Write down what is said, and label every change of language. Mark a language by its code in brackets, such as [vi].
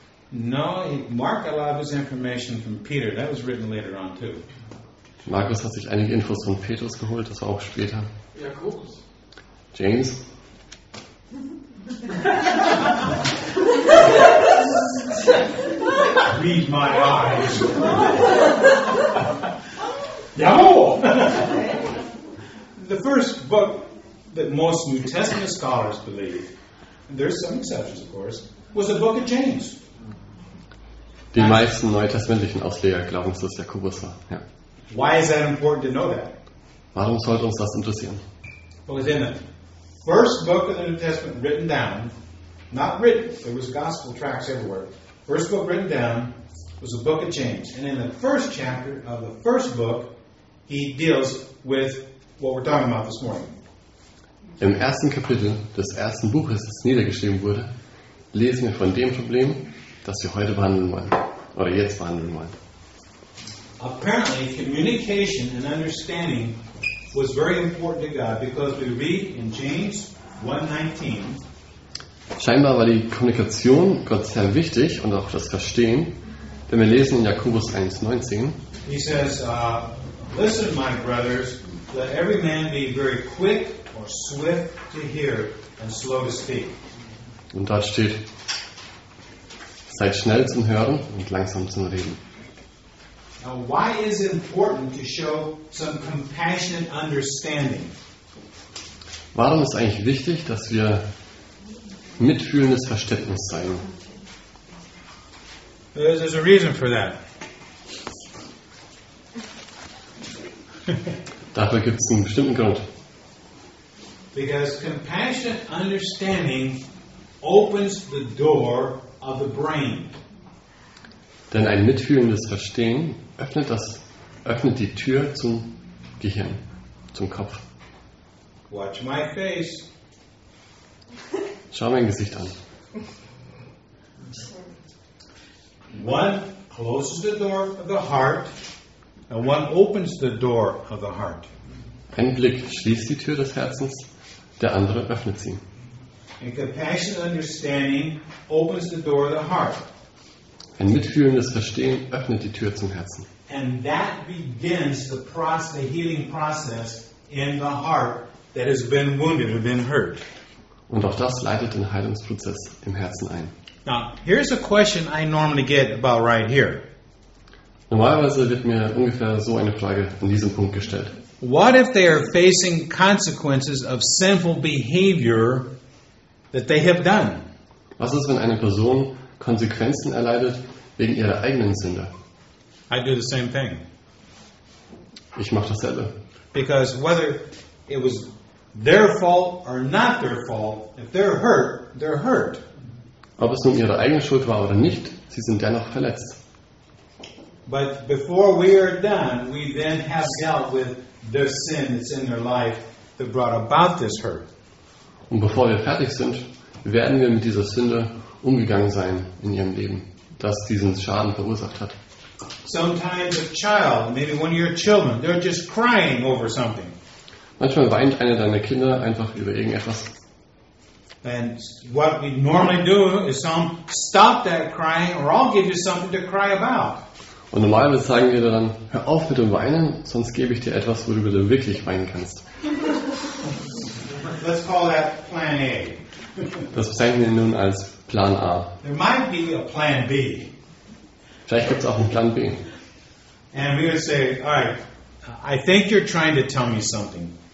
[en] No, Mark got a lot of his information from Peter. That was written later on too. [de] Markus hat sich einige Infos von Petrus geholt, das war auch später. Jakobus. [en] James? Read my eyes. [de] Jawohl! [en] The first book that most New Testament scholars believe, and there's some exceptions of course, was the book of James. [de] Die meisten neutestamentlichen Ausleger glauben, dass es Jakobus war. Ja. [en] Why is that important to know that? [de] Warum sollte uns das interessieren? [en] Because in the first book of the New Testament written down, not written, there was gospel tracts everywhere. First book written down was the book of James. And in the first chapter of the first book, he deals with what we're talking about this morning. [de] Im ersten Kapitel des ersten Buches, das niedergeschrieben wurde, lesen wir von dem Problem, das wir heute behandeln wollen, oder jetzt behandeln wollen. [en] Apparently, communication and understanding was very important to God because we read in James 1:19. [de] Scheinbar war die Kommunikation Gott sehr wichtig und auch das Verstehen, denn wir lesen in Jakobus 1:19. [en] He says, listen, my brothers, let every man be very quick or swift to hear and slow to speak. [de] Und dort steht, seid schnell zum Hören und langsam zum Reden. [en] Now, why is it important to show some compassionate understanding? [de] Warum ist eigentlich wichtig, dass wir mitfühlendes Verständnis zeigen? [en] There's a reason for that. [de] Dafür gibt es einen bestimmten Grund. [en] Because compassionate understanding opens the door of the brain. [de] Denn ein mitfühlendes Verstehen öffnet die Tür zum Gehirn, zum Kopf. [en] Watch my face. [de] Schau mein Gesicht an. [en] One closes the door of the heart and one opens the door of the heart. [de] Ein Blick schließt die Tür des Herzens, der andere öffnet sie. [en] And compassionate understanding opens the door of the heart. [de] Ein mitfühlendes Verstehen öffnet die Tür zum Herzen. [en] And that begins the healing process in the heart that has been wounded or been hurt. [de] Und auch das leitet den Heilungsprozess im Herzen ein. [en] Now, here's a question I normally get about right here. [de] Normalerweise wird mir ungefähr so eine Frage an diesem Punkt gestellt. [en] What if they are facing consequences of sinful behavior that they have done? [de] Was ist, wenn eine Person Konsequenzen erleidet wegen ihrer eigenen Sünde? [en] I do the same thing. [de] Ich mache dasselbe. [en] Because whether it was their fault or not their fault, if they're hurt, they're hurt. [de] Ob es nun ihre eigene Schuld war oder nicht, sie sind dennoch verletzt. [en] But before we are done, we then have dealt with the sin that's in their life that brought about this hurt. [de] Und bevor wir fertig sind, werden wir mit dieser Sünde umgegangen sein in ihrem Leben, das diesen Schaden verursacht hat. [en] Sometimes a child, maybe one of your children, they're just crying over something. [de] Manchmal weint einer deiner Kinder einfach über irgendetwas. [en] And what we normally do is some stop that crying or I'll give you something to cry about. [de] Und normalerweise sagen wir dann, hör auf mit dem Weinen, sonst gebe ich dir etwas, worüber du wirklich weinen kannst. [en] Let's call that plan A. [de] Das bezeichnen wir nun als Plan A. [en] There might be a plan B. [de] Vielleicht gibt es auch einen Plan B. [en] And we would say, all right, I think you're trying to tell me something.